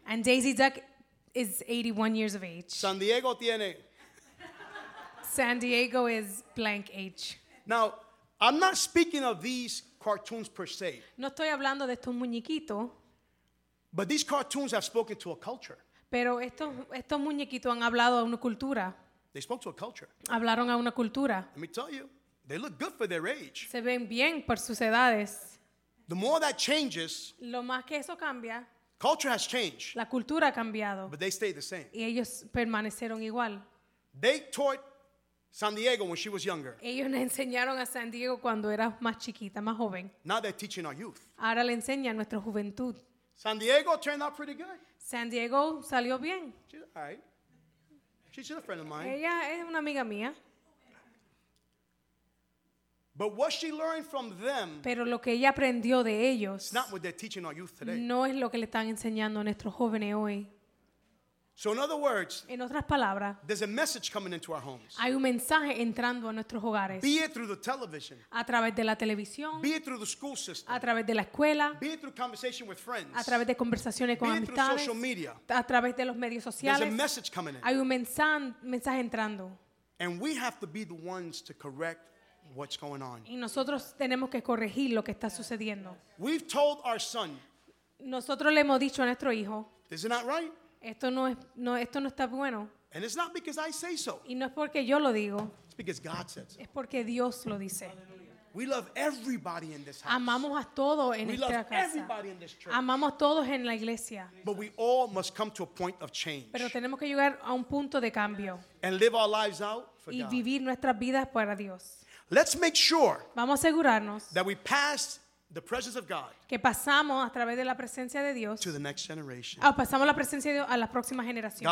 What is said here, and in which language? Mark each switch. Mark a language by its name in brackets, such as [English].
[English] And Daisy Duck is 81 years of age. [Spanish] San Diego tiene. [English] San Diego is blank age. Now, I'm not speaking of these cartoons per se. [Spanish] No estoy hablando de estos muñequitos. [English] But these cartoons have spoken to a culture. [Spanish] Pero estos muñequitos han hablado a una cultura. [English] They spoke to a culture. [Spanish] Hablaron a una cultura. [English] Let me tell you, they look good for their age. [Spanish] Se ven bien por sus edades. [English] The more that changes, [Spanish] lo más que eso cambia, [English] culture has changed. [Spanish] La cultura ha cambiado. [English] But they stayed the same. [Spanish] Y ellos permanecieron igual. [English] They taught San Diego when she was younger. [Spanish] Ellos le enseñaron a San Diego cuando era más chiquita, más joven. [English] Now they're teaching our youth. [Spanish] Ahora le enseñan a nuestra juventud. [English] San Diego turned out pretty good. [Spanish] San Diego salió bien. [English] She's all right. She's a friend of mine. [Spanish] Ella es una amiga mía. [English] But what she learned from them. [Spanish] Pero lo que ella aprendió de ellos. [English] It's not what they're teaching our youth today. [Spanish] No es lo que le están enseñando a nuestros jóvenes hoy. [English] So in other words, [Spanish] en otras palabras, [English] there's a message coming into our homes. [Spanish] Hay un mensaje entrando a nuestros hogares. [English] Be it through the television. [Spanish] A través de la televisión. [English] Be it through the school system. [Spanish] A través de la escuela. [English] Be it through conversation with friends. [Spanish] A través de conversaciones con amistades. [English] Be it through social media. [Spanish] A través de los medios sociales. [English] There's a message coming in. [Spanish] Hay un mensaje entrando. [English] And we have to be the ones to correct what's going on. [Spanish] Y nosotros tenemos que corregir lo que está sucediendo. [English] We've told our son. [Spanish] Nosotros le hemos dicho a nuestro hijo. [English] This is not right. [Spanish] Esto no está bueno. [English] And it's not because I say so. [Spanish] Y no es porque yo lo digo. [English] It's because God says so. [Spanish] Es porque Dios lo dice. [English] We love everybody in this house. [Spanish] Amamos a todos en esta casa. [English] We love everybody in this church. [Spanish] Amamos todos en la iglesia. [English] But we all must come to a point of change. [Spanish] Pero tenemos que llegar a un punto de cambio. [English] And live our lives out for [Spanish] God. Y vivir nuestras vidas para Dios. [English] Let's make sure. [Spanish] Vamos a asegurarnos [English] that we pass the presence of God [Spanish] que pasamos a través de la presencia de Dios [English] to the next generation. [Spanish] Oh, pasamos la presencia de Dios a la próxima generación.